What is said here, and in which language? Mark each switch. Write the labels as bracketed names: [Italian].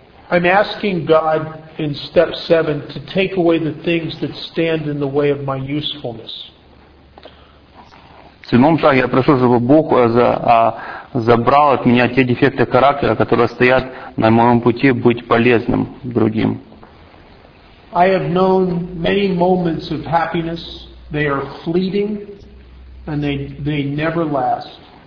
[English] I'm asking God in step 7 to take away the things that stand in the way of my usefulness. [Russian] В 7-м шаге я прошу, чтобы Бог забрал от меня те дефекты характера, которые стоят на моем пути быть полезным другим. [English] I have known many moments of happiness. They are fleeting and they never last.